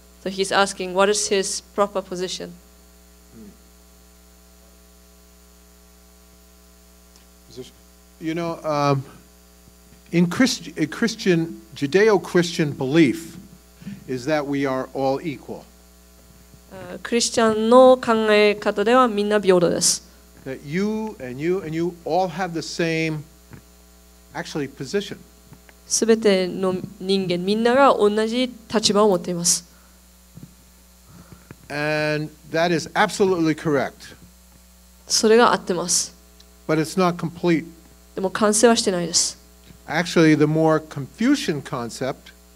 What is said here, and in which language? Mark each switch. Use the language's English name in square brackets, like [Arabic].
[English] So he's asking, what is his proper position? You know, in Christian, Judeo-Christian belief is that we are all equal. [Japanese] クリスチャンの考え方ではみんな平等です。 [English] That you and you and you all have the same, actually, position. [Japanese] すべての人間みんなが同じ立場を持っています。 [English] And that is absolutely correct. [Japanese] それが合ってます。 [English] But it's not complete. [Japanese] でも完成はしてないです。 [English] Actually, the more Confucian concept.